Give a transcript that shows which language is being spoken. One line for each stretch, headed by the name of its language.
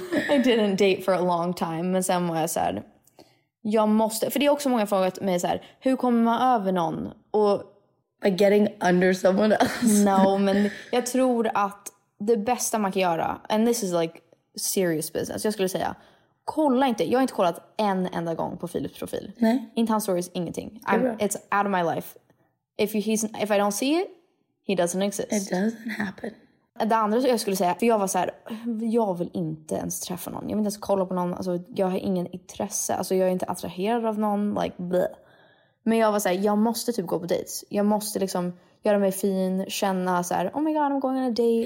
English: I didn't date for a long time,
Swedish: men sen var jag så här, jag måste, för det är också många frågat mig så här, hur kommer man över någon? Och
English: by getting under someone else.
Swedish: No, men jag tror att det bästa man kan göra,
English: and this is like serious business,
Swedish: jag skulle säga, kolla inte, jag har inte kollat en enda gång på Philips profil. Nej. Inte hans stories, ingenting.
English: It's out of my life. If I don't see it, he doesn't exist. It doesn't happen.
Swedish: Det andra som jag skulle säga, för jag var så här, jag vill inte ens träffa någon. Jag vill inte ens kolla på någon. Alltså, jag har ingen intresse. Alltså, jag är inte attraherad av någon. Like, bleh. Men jag var så här, jag måste typ gå på dates. Jag måste liksom göra mig fin, känna så här,
English: oh my god, I'm going on a date.